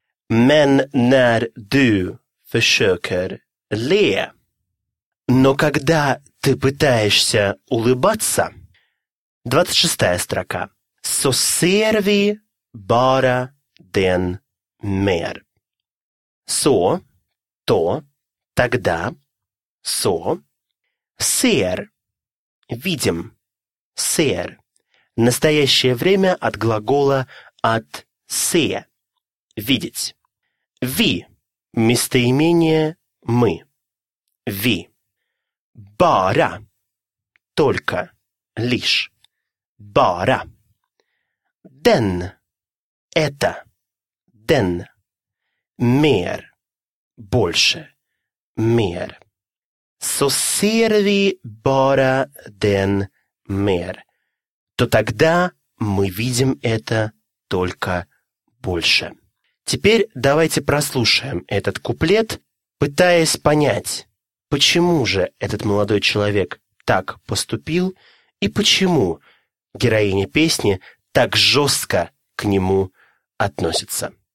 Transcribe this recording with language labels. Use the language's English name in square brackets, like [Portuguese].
[Swedish] Men när du försöker le. [Russian] Но когда ты пытаешься улыбаться, 26-я строка, [Swedish] så ser vi bara den mer. Så, то, тогда, så, ser, видим, ser. [Russian] Настоящее время от глагола от se, видеть. Vi, местоимение мы, vi. Bara, только, лишь, bara. [Swedish] Den, это, den. Mer, больше, mer. Så ser vi bara den mer. [Russian] То тогда мы видим это только больше. Теперь давайте прослушаем этот куплет, пытаясь понять, почему же этот молодой человек так поступил и почему героиня песни так жестко к нему относится.